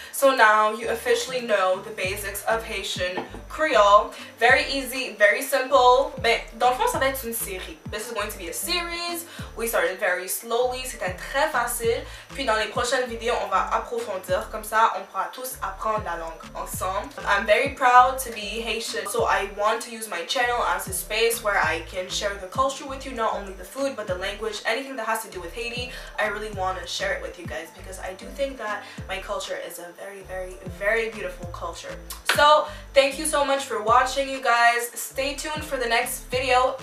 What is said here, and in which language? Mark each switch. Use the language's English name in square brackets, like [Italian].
[English] So now you officially know the basics of Haitian Creole. Very easy, very simple. [French] Mais dans le fond, ça va être une série. [English] This is going to be a series. We started very slowly. [French] C'était très facile. Puis dans les prochaines vidéos, on va approfondir. Comme ça, on pourra tous apprendre la langue ensemble. [English] I'm very proud to be Haitian. So I want to use my channel as a space where I can share the culture with you. Not only the food, but the language. Anything that has to do with Haiti, I really want to share it with you guys. Because I do think that my culture is a very, very, very beautiful culture. So thank you so much for watching, you guys. Stay tuned for the next video.